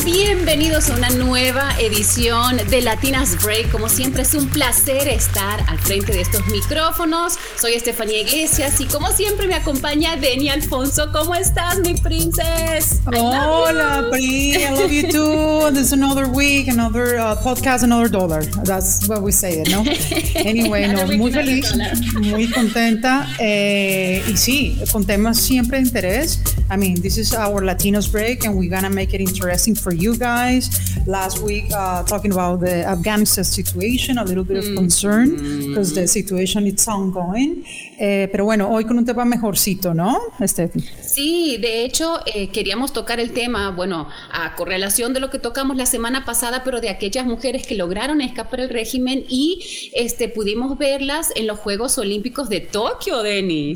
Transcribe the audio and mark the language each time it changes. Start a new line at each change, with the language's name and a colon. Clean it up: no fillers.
Spanish: Bienvenidos a una nueva edición de Latinas Break. Como siempre, es un placer estar al frente de estos micrófonos. Soy Estefanía Iglesias y como siempre me acompaña Deni Alfonso. ¿Cómo estás, mi princesa? Hola,
English: Pri. I love you too. This is another week, another podcast, another dollar. That's what we say, ¿no?
Spanish: Anyway, no, muy feliz, muy contenta. Y sí, con temas siempre de interés.
English: I mean, this is our Latinos break and we're going to make it interesting for you guys. Last week, talking about the Afghanistan situation, a little bit of concern because the situation is ongoing.
Spanish: Pero bueno, hoy con un tema mejorcito, ¿no, Stephanie? Sí, de hecho, queríamos tocar el tema, bueno, a correlación de lo que tocamos la semana pasada, pero de aquellas mujeres que lograron escapar del régimen y pudimos verlas en los Juegos Olímpicos de Tokio, Deni.